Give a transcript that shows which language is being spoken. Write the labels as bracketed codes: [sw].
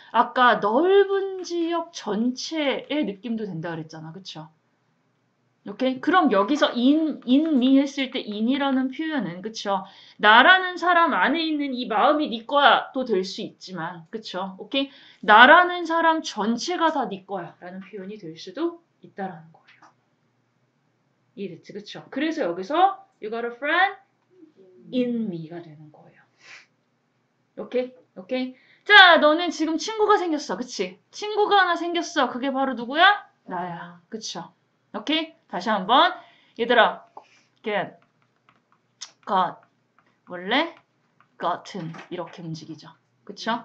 [ko] 아까 넓은 지역 전체의 느낌도 된다 그랬잖아. 그쵸? 이렇게? 그럼 여기서 in me 했을 때 in이라는 표현은, 그쵸? 나라는 사람 안에 있는 이 마음이 네 거야 또 될 수 있지만, 그쵸? 오케이? 나라는 사람 전체가 다 네 거야 라는 표현이 될 수도 있다라는 거. 이해됐지? 그쵸? 그래서 여기서 [en] you got a friend in me [ko] 가 되는 거예요. 오케이? 오케이? 자, 너는 지금 친구가 생겼어. 그치? 친구가 하나 생겼어. 그게 바로 누구야? 나야. 그쵸? 오케이? 다시 한번. 얘들아, get, got, 원래 gotten 이렇게 움직이죠. 그쵸?